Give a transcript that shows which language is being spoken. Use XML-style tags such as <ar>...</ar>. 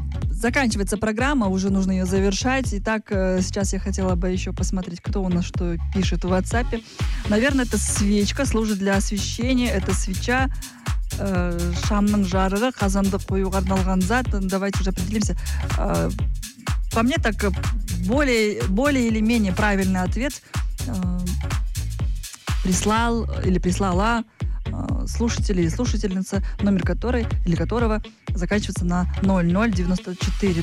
<ru>Заканчивается программа, уже нужно ее завершать. Итак, сейчас я хотела бы еще посмотреть, кто у нас что пишет в WhatsApp. Наверное, это свечка, служит для освещения. Это свеча</ru> <kk>шамның жарығы, қазанды қоюға арналған зат.</kk> <ru>Давайте уже определимся. По мне, так более или менее правильный ответ прислал или прислала слушатели и слушательница, номер которой или которого заканчивается на 0094.</ru>